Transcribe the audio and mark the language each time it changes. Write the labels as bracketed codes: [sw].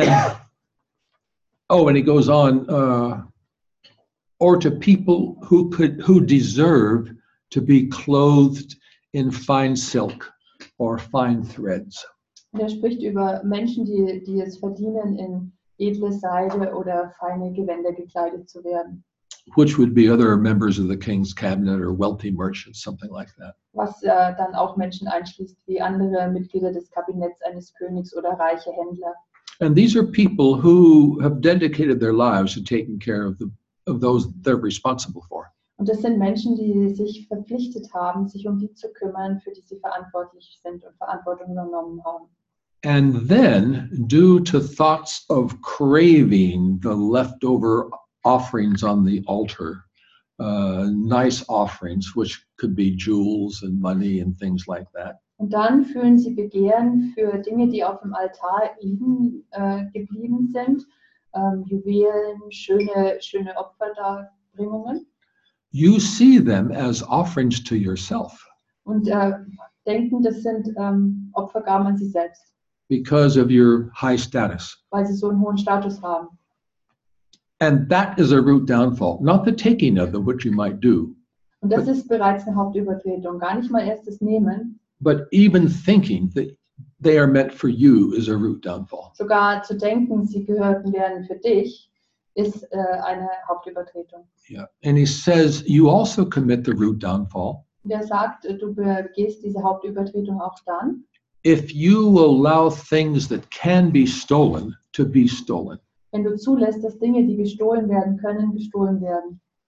[en] And he goes on, or to people who deserve to be clothed in fine silk or fine threads. [de] Er spricht über Menschen, die es verdienen, in edle Seide oder feine Gewänder gekleidet zu werden. [en] Which would be other members of the king's cabinet or wealthy merchants, something like that. [de] Was dann auch Menschen einschließt, wie andere Mitglieder des Kabinetts eines Königs oder reiche Händler. [en] And these are people who have dedicated their lives to taking care of those they're responsible for. [de] Und das sind Menschen, die sich verpflichtet haben, sich um die zu kümmern, für die sie verantwortlich sind und Verantwortung übernommen haben. [en] And then, due to thoughts of craving the leftover offerings on the altar, nice offerings, which could be jewels and money and things like that. [de] Und dann fühlen sie Begehren für Dinge, die auf dem Altar liegen geblieben sind, Juwelen, schöne Opferdarbringungen. [en] You see them as offerings to yourself. [de] Und denken, das sind Opfergaben an sich selbst. [en] Because of your high status. [de] Weil sie so einen hohen Status haben. [en] And that is a root downfall, not the taking of them, which you might do. [de] Und das ist bereits eine Hauptübertretung, gar nicht mal erst das Nehmen. [en] But even thinking that they are meant for you is a root downfall. [de] Sogar zu denken, sie gehörten werden für dich, ist eine Hauptübertretung. [en] Yeah, and he says you also commit the root downfall. [de] Der sagt, du begehst diese Hauptübertretung auch dann. [en] If you allow things that can be stolen to be stolen. [de] Wenn du zulässt, dass Dinge, die gestohlen werden können, gestohlen werden.